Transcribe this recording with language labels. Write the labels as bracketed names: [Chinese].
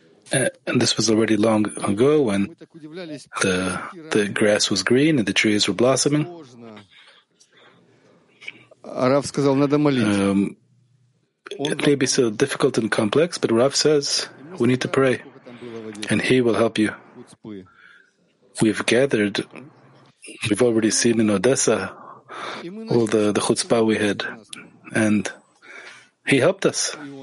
[English] And this was already long ago, when the grass was green and the trees were blossoming. [Russian] Rav сказал, надо молиться. [English] It may be so difficult and complex, but Rav says, we need to pray, and he will help you. We've already seen in Odessa all the chutzpah we had, and he helped us.